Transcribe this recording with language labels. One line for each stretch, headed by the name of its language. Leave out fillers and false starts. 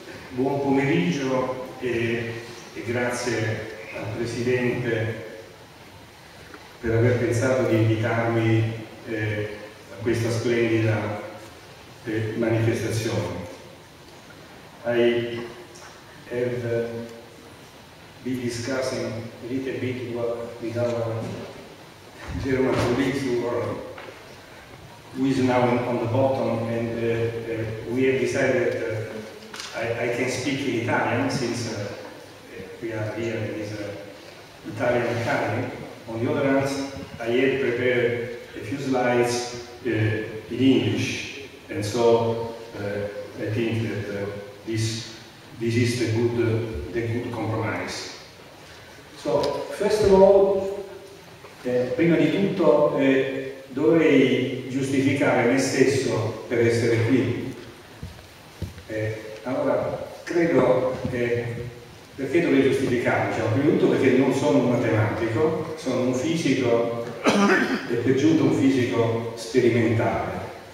Italian: Buon pomeriggio e grazie al Presidente per aver pensato di invitarmi questa splendida manifestazione.
English: I have been discussing a little bit with our German colleagues who is now on the bottom, and we have decided that I can speak in Italian since we are here in this Italian Academy. On the other hand, I had prepared a few slides in English, and so I think that this is the good compromise. So, first of all,
Italian: prima di tutto dovrei giustificare me stesso per essere qui. Allora, credo che perché dovrei giustificarmi? Cioè, prima di tutto perché non sono un matematico, sono un fisico e per giunta un fisico sperimentale.